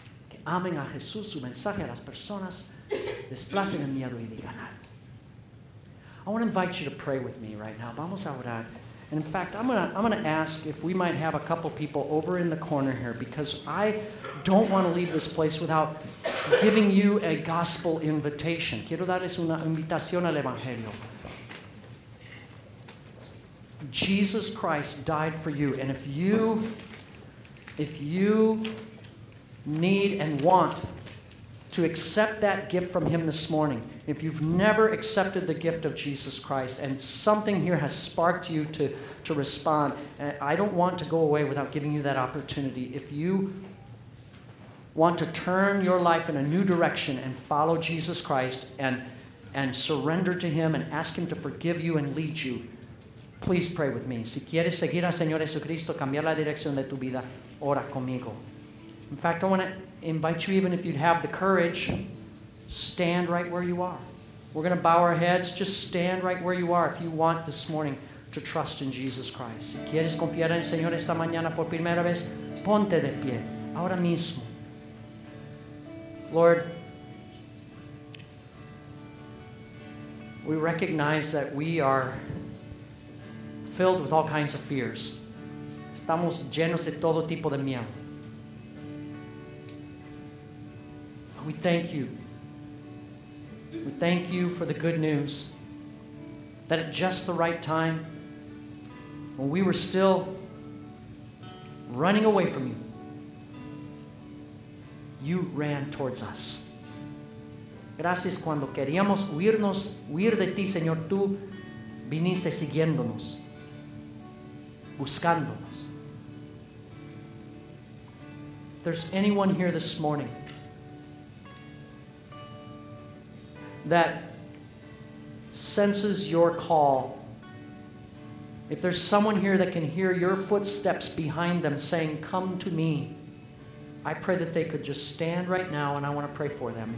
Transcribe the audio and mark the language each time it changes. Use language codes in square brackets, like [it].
[es] Que amen a Jesús, su mensaje a las personas, desplacen el miedo y digan algo. [en] I want to invite you to pray with me right now. [es] Vamos a orar. [en] And in fact, I'm gonna ask if we might have a couple people over in the corner here, because I don't want to leave this place without giving you a gospel invitation. [es] Quiero darles una invitación al Evangelio. [en] Jesus Christ died for you, and if you need and want to accept that gift from him this morning. If you've never accepted the gift of Jesus Christ and something here has sparked you to respond, I don't want to go away without giving you that opportunity. If you want to turn your life in a new direction and follow Jesus Christ and surrender to him and ask him to forgive you and lead you, please pray with me. [es] Si quieres seguir al Señor Jesucristo, cambiar la dirección de tu vida, ora conmigo. [en] In fact, I want to invite you, even if you'd have the courage, stand right where you are. We're going to bow our heads. Just stand right where you are if you want this morning to trust in Jesus Christ. [es] Si quieres confiar en el Señor esta mañana por primera vez, ponte de pie ahora mismo. [en] Lord, we recognize that we are filled with all kinds of fears. [es] Estamos llenos de todo tipo de miedo. [en] We thank you. We thank you for the good news that at just the right time, when we were still running away from you, you ran towards us. [es] Gracias cuando queríamos huir de ti, Señor, tú viniste siguiéndonos, buscándonos. [en] If there's anyone here this morning that senses your call, if there's someone here that can hear your footsteps behind them saying, come to me, I pray that they could just stand right now, and I want to pray for them.